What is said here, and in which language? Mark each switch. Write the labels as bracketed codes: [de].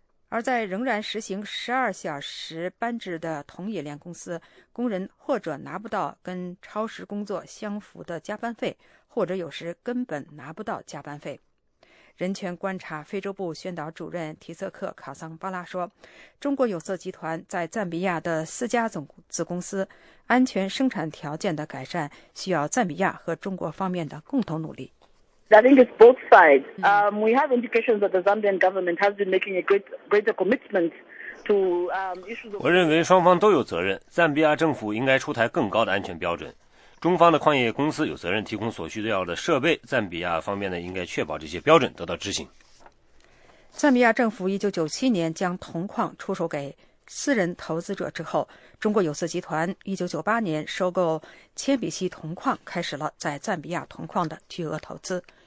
[zh] 而在仍然实行12小时班制的铜冶炼公司，工人或者拿不到跟超时工作相符的加班费，或者有时根本拿不到加班费。人权观察非洲部宣导主任提瑟克卡桑巴拉说，中国有色集团在赞比亚的四家子公司安全生产条件的改善需要赞比亚和中国方面的共同努力。 [en] I think it's both sides. We have indications that the Zambian government has been making a greater commitment to issues of. [zh] 我认为双方都有责任。赞比亚政府应该出台更高的安全标准。中方的矿业公司有责任提供所需要的设备。赞比亚方面呢，应该确保这些标准得到执行。赞比亚政府1997年将铜矿出售给私人投资者之后，中国有色集团1998年收购铅笔系铜矿，开始了在赞比亚铜矿的巨额投资。